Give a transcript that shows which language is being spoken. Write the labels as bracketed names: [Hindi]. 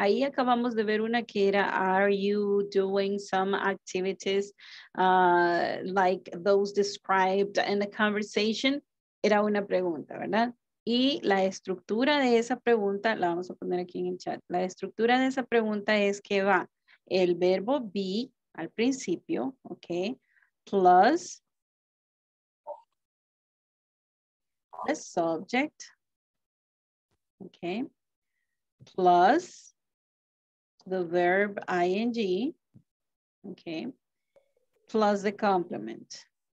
[Spanish] Ahí acabamos de ver una que era, [English] are you doing some activities like those described in the conversation? [Spanish] Era una pregunta, ¿verdad? Y la estructura de esa pregunta, la vamos a poner aquí en el chat. La estructura de esa pregunta es que va el verbo be al principio, ¿ok? [English] Plus the subject, okay, plus the verb ing, okay, plus the complement.